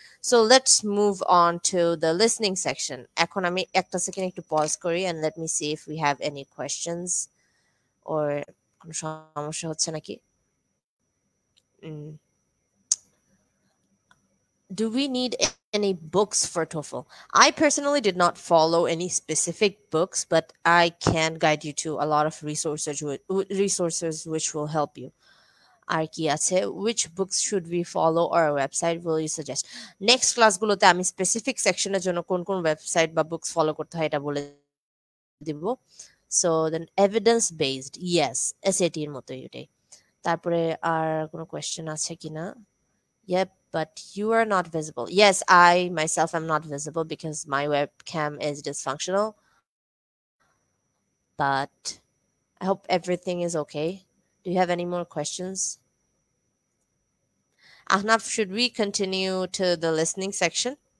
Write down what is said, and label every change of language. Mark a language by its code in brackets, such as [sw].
[en] so let's move on to the listening section [bn] এখন আমি একটা সেকেন্ড একটু পজ করি [en] and let me see if we have any questions [bn] ওর কোনো সমস্যা হচ্ছে নাকি [en] Do we need any books for TOEFL. I personally did not follow any specific books, but I can guide you to a lot of resources which will help you. [bn] আর কি আছে? [en] Which books should we follow or a website will you suggest? [bn] Next class গুলোতে আমি specific section এর জন্য কোন কোন website বা books follow করতে হয় এটা বলে দিব. [en] So then evidence based. Yes, SAT [bn] এর মতই ওটাই. তারপরে আর কোনো question আছে কিনা? [en] Yep. But you are not visible. Yes, I myself am not visible because my webcam is dysfunctional. But I hope everything is okay. Do you have any more questions? Ahnaf, should we continue to the listening section?